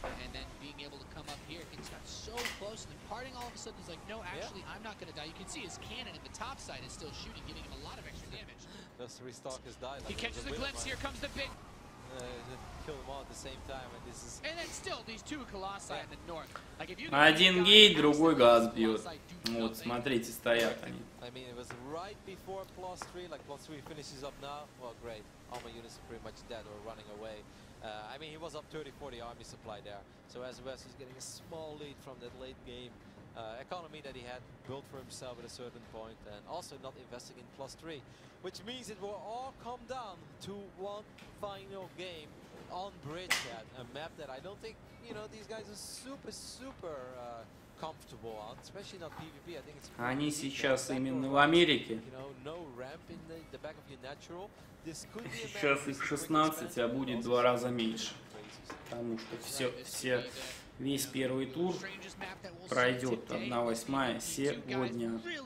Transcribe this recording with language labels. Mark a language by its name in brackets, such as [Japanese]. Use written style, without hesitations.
[English] And then being able to come up here, it's got so close. And then Parting all of a sudden is like, no, actually, yeah. I'm not going to die. You can see his cannon at the top side is still shooting, giving him a lot of extra damage. Those 3 stalkers die. He catches the glimpse. Here comes the big... kill them all at the same time, and this is... And then still, these 2 colossi in the north. Like, if you... [Russian] Один гейт, другой газ бьет. Вот, смотрите, стоят они. [English] I mean, it was right before +3, like, +3 finishes up now. Well, great. All my units are pretty much dead or running away. I mean, he was up 30-40 army supply there. So, as West is getting a small lead from that late game economy that he had built for himself at a certain point, and also not investing in +3. Which means it will all come down to one final game on Bridgehead, a map that I don't think, you know, these guys are super comfortable on, especially not PvP. I think it's [Russian] они сейчас именно в Америке. [English] You know, no ramp in the back of your natural. This could be [Russian] сейчас их 16, а будет 2 раза меньше, потому что все весь первый тур пройдет 1/8 сегодня.